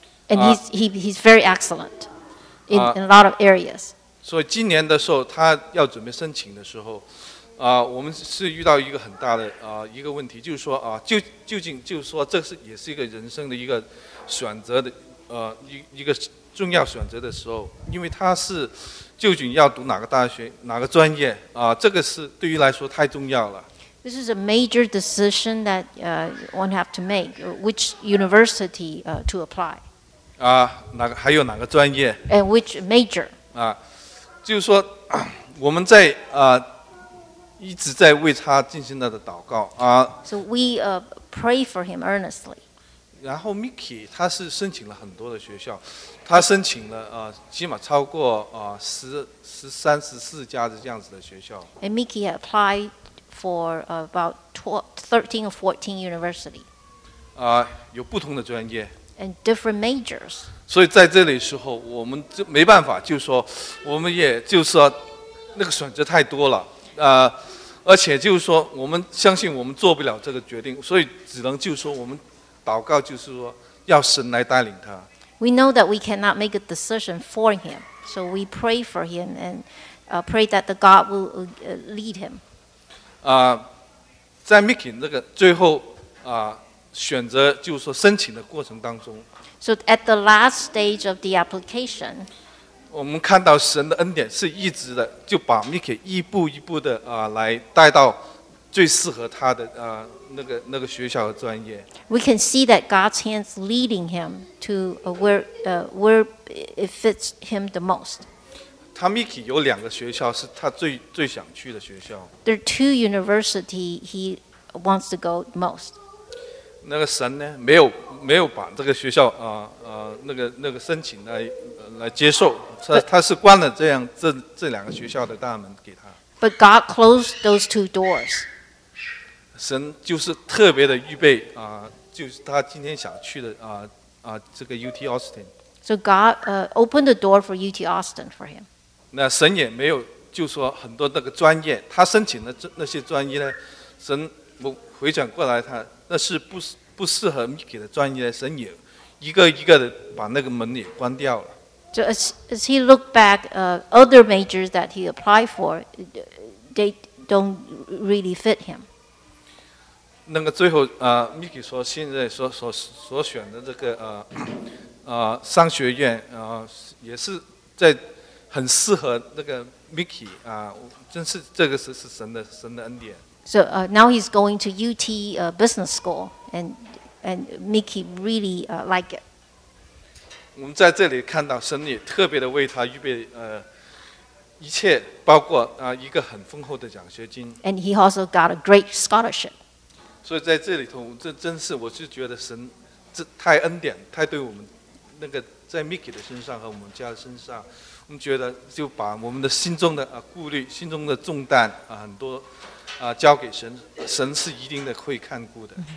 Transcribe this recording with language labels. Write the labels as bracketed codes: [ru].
[en] And he's very excellent in a lot of areas. [zh] 所以今年的时候，他要准备申请的时候，我们是遇到一个很大的一个问题，就是说究竟就是说这是也是一个人生的一个选择的一个重要选择的时候，因为他是究竟要读哪个大学哪个专业这个是对于来说太重要了。 [en] This is a major decision that one have to make, which university to apply. [zh] 还有哪个专业 [en] ？And which major？ [zh] 就是说我们在一直在为他进行他的祷告 [en] So we pray for him earnestly. [zh] 然后 Mickey 他是申请了很多的学校，他申请了起码超过13、14家的这样子的学校。 [en] And Mickey applied for about 13 or 14 university. [zh] 有不同的专业。 [en] And different majors. [zh] 所以在这里时候，我们就没办法，就说我们也就是说那个选择太多了。而且就是说我们相信我们做不了这个决定，所以只能就是说我们祷告，就是说要神来带领他。 [en] We know that we cannot make a decision for him, so we pray for him and pray that the God will lead him. [zh] 在 Mickey 那个最后选择就是说申请的过程当中， [en] So at the last stage of the application, [zh] 我们看到神的恩典是一直的，就把 Mickey 一步一步的来带到最适合他的那个学校和专业。 [en] We can see that God's hand's leading him to where it fits him the most. [zh] 他 Mickey 有两个学校是他最想去的学校。 [en] There are two university he wants to go most. [zh] 那个神呢，没有把这个学校那个申请来接受。他是关了这两个学校的大门给他。 [en] But God closed those two doors. [zh] 神就是特别的预备就是他今天想去的这个 UT Austin. [en] So God opened the door for UT Austin for him. [zh] 那神也没有就说很多那个专业，他申请的那些专业呢，神回转过来他那是不适合 Mickey 的专业，神也一个一个的把那个门也关掉了。 [en] So as he looked back, other majors that he applied for, they don't really fit him. [zh] 那个最后Mickey 说现在所选的这个商学院也是在很适合那个 Mickey 真是这个是神的恩典。 [en] So now he's going to UT Business School, and Mickey really like it. [zh] 我们在这里看到神也特别的为他预备一切，包括一个很丰厚的奖学金。 [en] And he also got a great scholarship. [zh] 所以在这里头，这真是我是觉得神这太恩典，太对我们那个在 Mickey 的身上和我们家的身上，我们觉得就把我们的心中的顾虑、心中的重担很多交给神，神是一定的会看顾的。